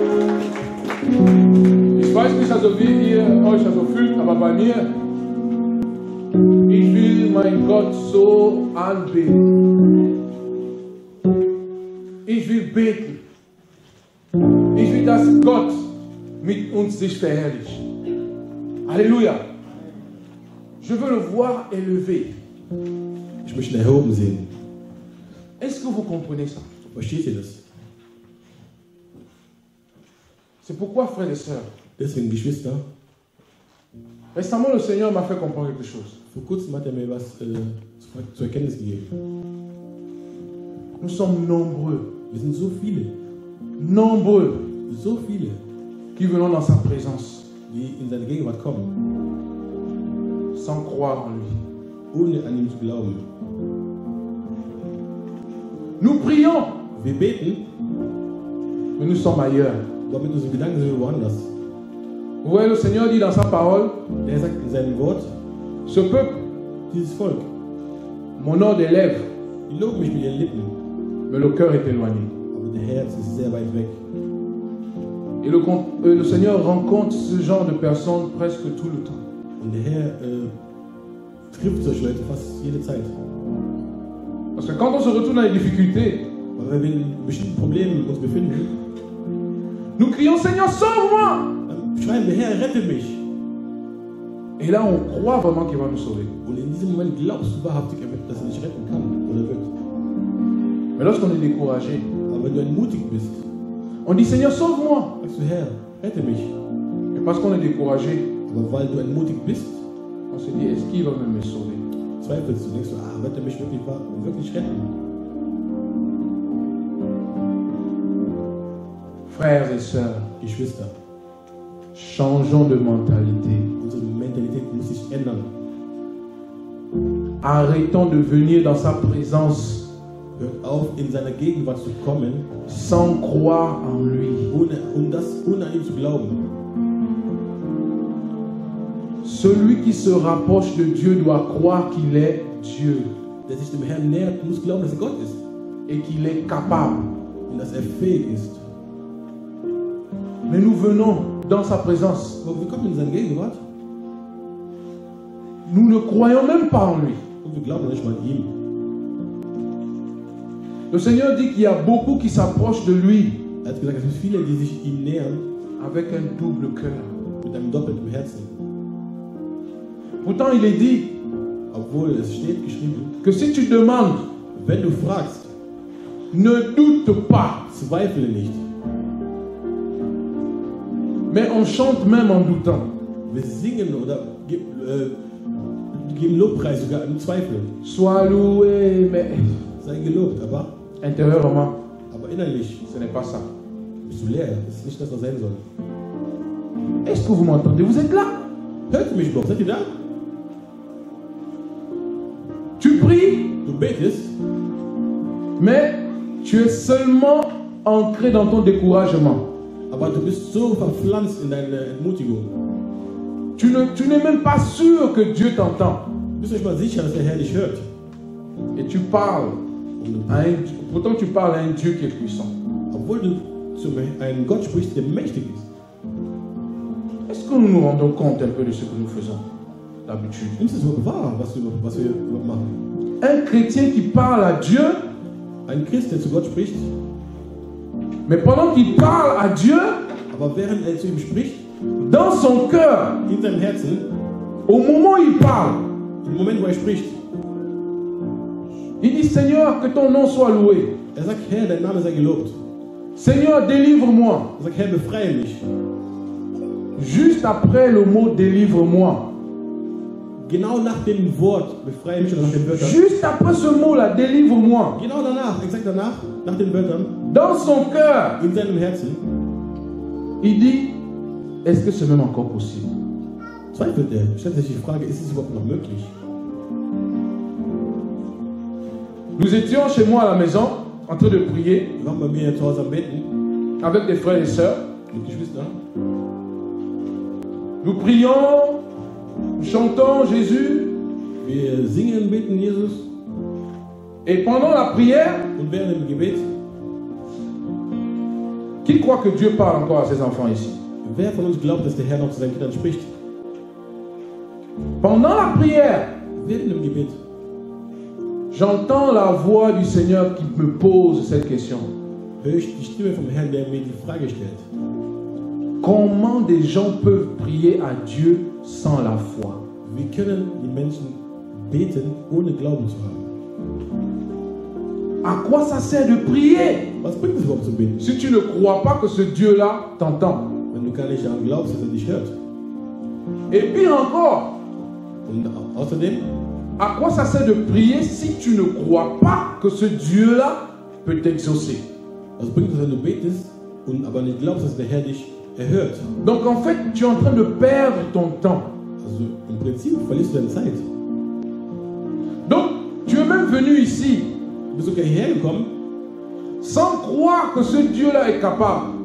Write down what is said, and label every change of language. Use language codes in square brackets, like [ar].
[de] Ich bin also wie ihr euch also fühlt, aber bei mir, ich will mein Gott so anbeten. Ich will beten. Ich will, dass Gott mit uns sich verherrlicht. [fr] Halleluja. Je veux le voir élevé. [de] Ich möchte ihn erhoben sehen. [fr] Est-ce que vous comprenez ça? [de] Versteht ihr das? [fr] C'est pourquoi, frères et sœurs, [de] deswegen, Geschwister, [fr] récemment le Seigneur m'a fait comprendre quelque chose. [de] Vor kurzem hat er mir was zur Erkenntnis gegeben. [fr] Nous sommes nombreux. [de] Wir sind so viele. [fr] Nombreux. [de] So viele. [fr] Qui venons dans sa présence. [de] Die in seine Gegenwart kommen. [fr] Sans croire en lui. [de] Ohne an ihm zu glauben. [fr] Nous prions. [de] Wir beten. [fr] Mais nous sommes ailleurs. [de] Doch mit unseren Gedanken sind wir woanders. [fr] Vous voyez, le Seigneur dit dans sa parole, [de] er sagt in seinem Wort, [fr] ce peuple, [de] dieses Volk, [fr] mon ordre des lèvres, [de] il lobe mich mit den Lippen, [fr] mais le cœur est éloigné. [de] Aber der Herz ist sehr weit weg. [fr] Et le Seigneur rencontre ce genre de personnes presque tout le temps. [de] Und der Herr trifft solche Leute fast jede Zeit. [fr] Parce que quand on se retrouve dans les difficultés, [de] weil wir in bestimmten Problemen uns befinden, [fr] nous crions, Seigneur, sauve-moi! [de] Schreien wir, Herr, rette mich! [fr] Et là, on croit vraiment qu'il va nous sauver. [de] Und in diesem Moment glaubst du wahrhaftig, dass er dich retten kann oder wird. [fr] Mais lorsqu'on est découragé, [de] aber wenn du entmutigt bist, [fr] on dit, Seigneur, sauve-moi! [de] Sagst du, Herr, rette mich! [fr] Et parce qu'on est découragé, [de] aber weil du entmutigt bist, [fr] on se dit, est-ce qu'il va même me sauver? [de] Zweifelst du, denkst du, ah, wird er mich wirklich retten? [fr] Frères et sœurs, [de] Geschwister, [fr] changeons de mentalité. [de] Unsere Mentalität muss sich ändern. [fr] Arrêtons de venir dans sa présence. [de] Hör auf, in seiner Gegenwart zu kommen. [fr] Sans croire en lui. [de] Ohne an ihn zu glauben. [fr] Celui qui se rapproche de Dieu doit croire qu'il est Dieu. [de] Der sich dem Herrn nähert, muss glauben, dass er Gott ist. [fr] Et qu'il est capable. [de] Und dass er fähig ist. [fr] Mais nous venons dans sa présence. [de] Wir kommen in seine Gegenwart. [fr] Nous ne croyons même pas en lui. [de] Wir glauben nicht mal an ihn. [fr] Le Seigneur dit qu'il y a beaucoup qui s'approchent de lui. [de] Er hat gesagt, es sind viele, die sich ihm nähern. [fr] Avec un double cœur. [de] Mit einem doppelten Herzen. [fr] Pourtant, il est dit. [de] Obwohl es steht geschrieben. [fr] Que si tu demandes. [de] Wenn du fragst. [fr] Ne doute pas. [de] Zweifle nicht. [fr] Mais on chante même en doutant. [de] Wir singen oder geben Lobpreis sogar im Zweifel. [fr] Sois loué, mais. [de] Sei gelobt, aber. [fr] Intérieurement. [de] Aber innerlich. [fr] Ce n'est pas ça. [de] Bist du leer? Das ist nicht das, was sein soll. [fr] Est-ce que vous m'entendez? Vous êtes là? [de] Hört mich doch, seid ihr da? [fr] Tu pries. [de] Du betest. [fr] Mais tu es seulement ancré dans ton découragement. [de] Aber du bist so verpflanzt in deine Entmutigung. [fr] Tu n'es même pas sûr que Dieu t'entend. [de] Du bist nicht mal sicher, dass der Herr dich hört. [fr] Et tu parles. Pourtant tu parles à un Dieu qui est puissant. [de] Obwohl du zu einem Gott sprichst, der mächtig ist. [fr] Est-ce que nous nous rendons compte un peu de ce que nous faisons d'habitude? [de] Ist es wahr, was wir machen? [fr] Un chrétien qui parle à Dieu, [de] ein Christ, der zu Gott spricht. [fr] Mais pendant qu'il parle à Dieu, [de] aber während er zu ihm spricht, [fr] dans son cœur, [de] in seinem Herzen, [fr] au moment où il parle, [de] im Moment, wo er spricht, [fr] il dit, Seigneur, que ton nom soit loué. [de] Er sagt, Herr, dein Name sei gelobt. [fr] Seigneur, délivre-moi. [de] Er sagt, Herr, befreie mich. [fr] Juste après le mot délivre-moi. [de] Genau nach dem Wort, befreie mich, oder nach den Wörtern. [fr] Juste après ce mot-là, délivre-moi. [de] Genau danach, exakt danach, nach den Wörtern. [fr] Dans son cœur, [de] in seinem Herzen, [fr] il dit, est-ce que c'est même encore possible? [de] Zweifelt er, stellt sich die Frage, ist es überhaupt noch möglich? [fr] Nous étions chez moi à la maison, en train de prier, [de] wir waren bei mir zu Hause am Beten, [fr] avec des frères et sœurs, [de] mit Geschwistern. [fr] Nous prions, chantons Jésus. [de] Wir singen, beten Jesus. [fr] Et pendant la prière, [de] und während dem Gebet, [fr] qui croit que Dieu parle encore à ses enfants ici? [de] Wer von uns glaubt, dass der Herr noch zu seinen Kindern spricht? [fr] Pendant la prière, [de] während dem Gebet, [fr] j'entends la voix du Seigneur qui me pose cette question. [de] Höre ich die Stimme vom Herrn, der mir die Frage stellt. [fr] Comment des gens peuvent prier à Dieu sans la foi? [de] Wie können die Menschen beten ohne Glauben zu haben? [fr] À quoi ça sert de prier? [de] Was bringt es überhaupt zu beten? [fr] Si tu ne crois pas que ce Dieu-là t'entend. [de] Wenn du keine Sachen glaubst, dass er dich hört. [fr] Et puis encore. [de] Und außerdem. [fr] À quoi ça sert de prier si tu ne crois pas que ce Dieu-là peut t'exaucer? [de] Was bringt es, wenn du betest und aber nicht glaubst, dass der Herr dich erhört? [fr] Donc en fait, tu es en train de perdre ton temps. [de] Also, im Prinzip verlierst du deine Zeit. [fr] Donc tu es même venu ici. [de] Bist du gar hierher gekommen? [fr] Sans croire que ce Dieu-là est capable.